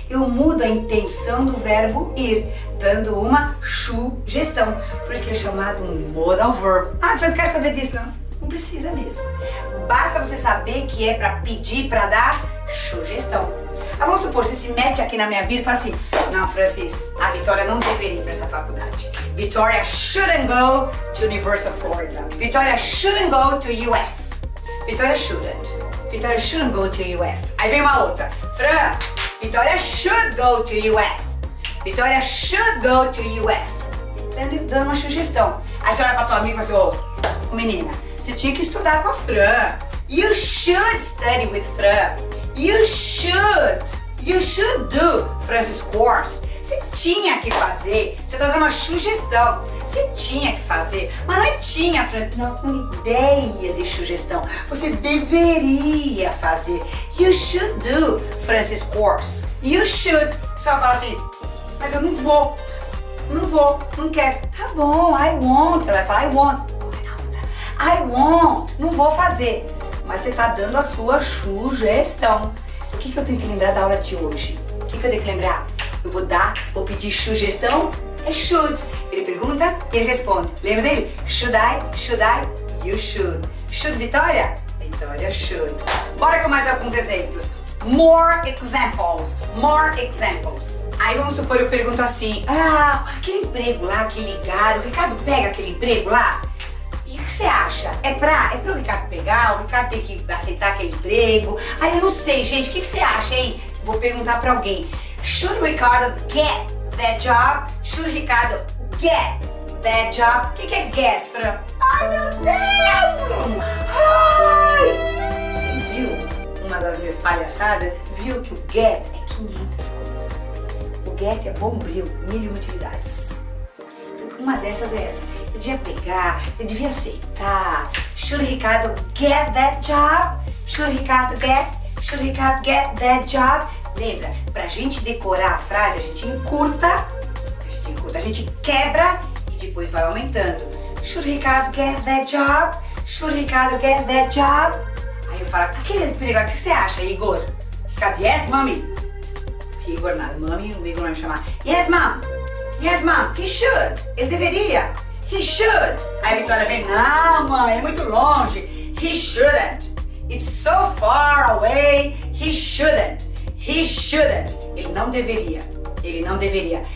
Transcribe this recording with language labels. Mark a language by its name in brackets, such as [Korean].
[Portuguese] Eu mudo a intenção do verbo ir, dando uma sugestão. Por isso que ele é chamado um modal verb. Ah, Fran, quero saber disso. Não. Não precisa mesmo. Basta você saber que é para pedir, para dar sugestão. Ah, vamos supor, você se mete aqui na minha vida e fala assim: não, Francis, a Vitória não deveria ir para essa faculdade. [English] Victoria shouldn't go to University of Florida. Victoria shouldn't go to UF. Victoria shouldn't. Victoria shouldn't go to UF. [Portuguese] Aí vem uma outra. [English] Fran, Victoria should go to UF. Victoria should go to UF. [Portuguese] Ele dá uma sugestão. Aí você olha pra tua amiga e fala assim: ô, menina, você tinha que estudar com a Fran. [English] You should study with Fran. You should. You should do Francis course. [Portuguese] Você tinha que fazer. Você tá dando uma sugestão. Você tinha que fazer. Mas não tinha, Fran. Não, uma ideia de sugestão. Você deveria fazer. [English] You should do Francis course. You should. [Portuguese] Só fala assim: mas eu não vou. Não vou. Não quero. Tá bom, [English] I won't. [Portuguese] Ela vai falar: I won't. [English] I won't. [Portuguese] Não vou fazer. Mas você tá dando a sua sugestão. O que que eu tenho que lembrar da aula de hoje? O que que eu tenho que lembrar? Eu vou dar, vou pedir sugestão, é should. Ele pergunta, ele responde. Lembra dele? [English] Should I, you should. Should Vitória? Vitória should. [Portuguese] Bora com mais alguns exemplos. [English] More examples, more examples. [Portuguese] Aí vamos supor, eu pergunto assim: ah, aquele emprego lá, aquele ligado, o Ricardo pega aquele emprego lá? E o que você acha? É pra o Ricardo pegar, o Ricardo tem que aceitar aquele emprego? Aí eu não sei, gente, o que que você acha, hein? Vou perguntar pra alguém. [English] Should Ricardo get that job? Should Ricardo get that job? [Portuguese] O que é get, Fran? Ai, meu Deus! Ai! Viu uma das minhas palhaçadas? Viu que o get é 500 coisas. O get é bombril, mil e uma atividades. Uma dessas é essa. Eu devia pegar, eu devia aceitar. [English] Should Ricardo get that job? Should Ricardo get? Should Ricardo get that job? [Portuguese] Lembra, pra gente decorar a frase, a gente encurta, a gente quebra e depois vai aumentando. [English] Should Ricardo get that job? Should Ricardo get that job? [Portuguese] Aí eu falo: aquele emprego, o que você acha, Igor? Ricardo, [English] yes, mommy? [Portuguese] Igor nada, mommy, o Igor vai me chamar. [English] Yes, mom, he should. [Portuguese] Ele deveria. [English] He should. [Portuguese] Aí a Vitória vem: não, mãe, é muito longe. [English] He shouldn't. It's so far away. He shouldn't. He shouldn't. [Portuguese] Ele não deveria. Ele não deveria.